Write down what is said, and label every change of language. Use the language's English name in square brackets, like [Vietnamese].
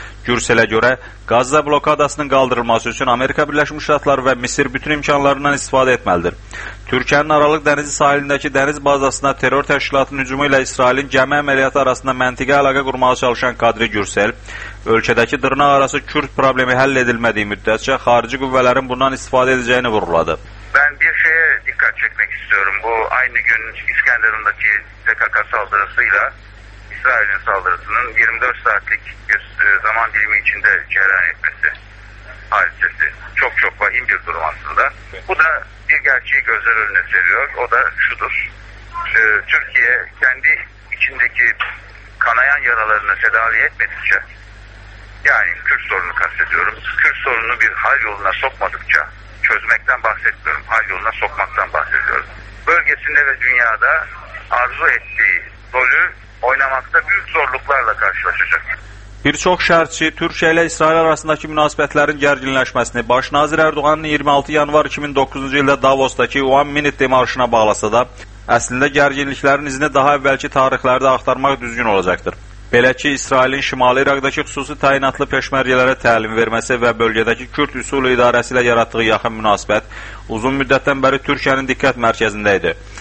[Azerbaijani] Gürsələ görə, Qazza blokadasının qaldırılması üçün Amerika Birləşmiş Ştatları və Misir bütün imkanlarından istifadə etməlidir. Türkiyənin Aralıq dənizi sahilindəki dəniz bazasına terror təşkilatının hücumu ilə İsrailin gəmi əməliyyatı arasında məntiqə əlaqə qurmağa çalışan Kadri Gürsel, ölkədəki dırnaqarası Kürt problemi həll edilmədiyi müddətcə xarici qüvvələrin bundan istifadə edəcəyini vurguladı. [Turkish] Ben bir şeye dikkat çekmek istiyorum. Bu aynı gün İskenderun'daki PKK saldırısıyla İsrail'in saldırısının 24 saatlik zaman dilimi içinde cereyan etmesi hadisesi. Çok çok vahim bir durum aslında. Bu da bir gerçeği gözler önüne seriyor. O da şudur. Türkiye kendi içindeki kanayan yaralarını tedavi etmedikçe, yani Kürt sorunu kastediyorum, Kürt sorununu bir hal yoluna sokmadıkça, çözmekten bahsetmiyorum, hal yoluna sokmaktan bahsediyorum. Bölgesinde ve dünyada arzu ettiği rolü oynamakta büyük zorluklarla karşılaşacak. [Azerbaijani] Birçok şərhçi Türkiyə ilə İsrail arasındakı münasibətlərin gərginləşməsini Başnazir Erdoğanın 26 yanvar 2009-cu ildə Davos'daki One Minute demarşına bağlasa da, əslində gərginliklərin izini daha əvvəlki tarixlərdə axtarmaq düzgün olacaqdır. Belə ki, İsrailin Şimali İraqdakı xüsusi təyinatlı peşməriyələrə təlim verməsi və bölgədəki Kürt üsulu idarəsi ilə yaratdığı yaxın münasibət uzun müddətdən bəri Türkiyənin diqqət mərkəzində idi.